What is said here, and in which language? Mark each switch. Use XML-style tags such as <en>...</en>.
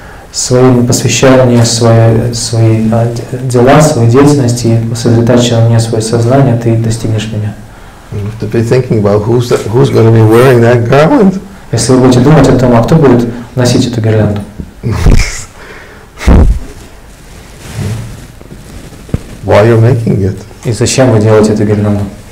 <ru>Свои посвящения, свои дела, свои деятельности, сосредоточив на мне свое сознание, ты достигнешь меня.</ru> <en>You have to be thinking about who's going to be wearing that garland.</en> <ru>Если вы будете думать о том, а кто будет носить эту гирлянду?</ru> <en>Why you're making it?</en> <ru>И зачем вы делаете эту гирлянду?</ru>